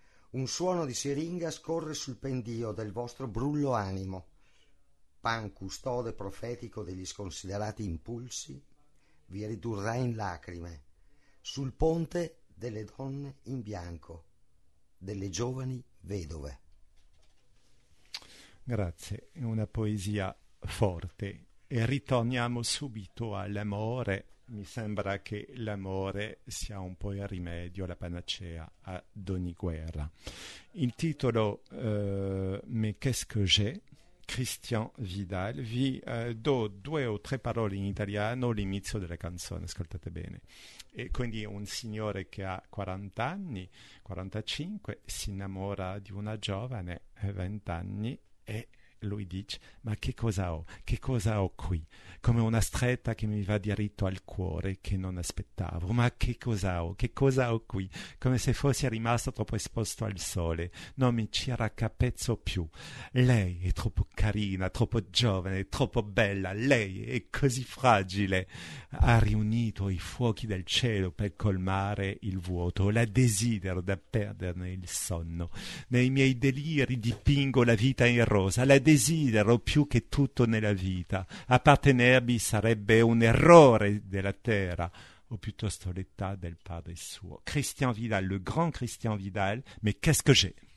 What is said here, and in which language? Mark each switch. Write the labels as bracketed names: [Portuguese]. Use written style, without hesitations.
[Italian] Un suono di siringa scorre sul pendio del vostro brullo animo, pan custode profetico degli sconsiderati impulsi, vi ridurrà in lacrime sul ponte delle donne in bianco, delle giovani vedove. Grazie, è una poesia forte. E ritorniamo subito all'amore mi sembra che l'amore sia un po' il rimedio, la panacea ad ogni guerra. Il titolo, [French] Mais qu'est-ce que j'ai? [Italian] Christian Vidal, vi do due o tre parole in italiano all'inizio della canzone, ascoltate bene. E quindi un signore che ha 40 anni, 45, si innamora di una giovane, 20 anni, e lui dice: Ma che cosa ho? Che cosa ho qui? Come una stretta che mi va diritto al cuore che non aspettavo. Ma che cosa ho? Che cosa ho qui? Come se fossi rimasto troppo esposto al sole. Non mi ci raccapezzo più. Lei è troppo carina, troppo giovane, troppo bella. Lei è così fragile. Ha riunito i fuochi del cielo per colmare il vuoto. La desidero da perderne il sonno. Nei miei deliri dipingo la vita in rosa. La desidero più che tutto nella vita. Appartenermi sarebbe un errore della terra, o piuttosto l'età del padre suo. [French] Christian Vidal, le grand Christian Vidal, mais qu'est-ce que j'ai?